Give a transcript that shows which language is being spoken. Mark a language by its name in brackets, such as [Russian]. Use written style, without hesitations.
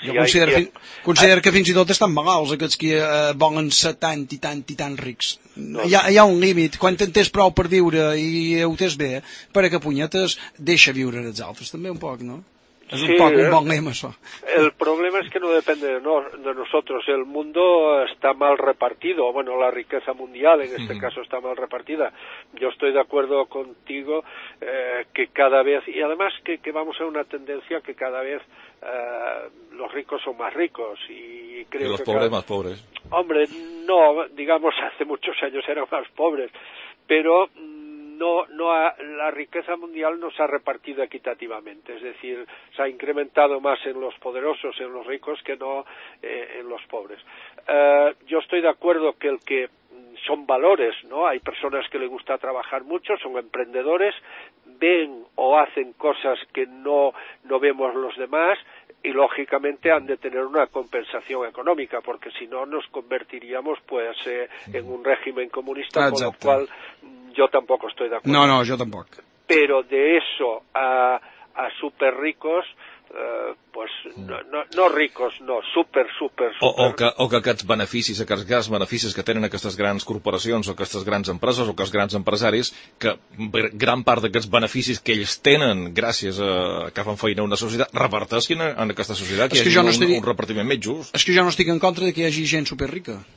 [Catalan] Jo considero que fins i tot estan malalts aquests qui volen ser tant i tant i tant rics. No. Hi ha un límit. Quan en tens prou per viure i ho tens bé, per a que punyetes, deixa viure els altres també un poc, no? És un poc un bon lema, això. El problema és que no depèn de nosaltres. El món està mal repartit. Bueno, la riquesa mundial, en este caso, està mal repartida. [Spanish] Yo estoy de acuerdo contigo que cada vez... Y además que vamos a una tendencia que cada vez los ricos son más ricos. Y los pobres más pobres. Hombre, no, digamos, hace muchos años eran más pobres. Pero... la riqueza mundial no se ha repartido equitativamente, es decir, se ha incrementado más en los poderosos, en los ricos, que no en los pobres. Yo estoy de acuerdo que el que son valores, ¿no? Hay personas que les gusta trabajar mucho, son emprendedores, ven o hacen cosas que no vemos los demás y lógicamente han de tener una compensación económica, porque si no nos convertiríamos pues en un régimen comunista. Exacto. Con lo cual yo tampoco estoy de acuerdo. No, yo tampoco. Pero de eso a súper ricos, pues no ricos, no, súper. [Catalan] O que aquests beneficis que tenen aquestes grans corporacions o aquestes grans empreses o aquests grans empresaris, que gran part d'aquests beneficis que ells tenen gràcies a que fan feina a una societat, reparteixin en aquesta societat, que hi hagi un repartiment més just. És que jo no estic en contra de que hi hagi gent superrica.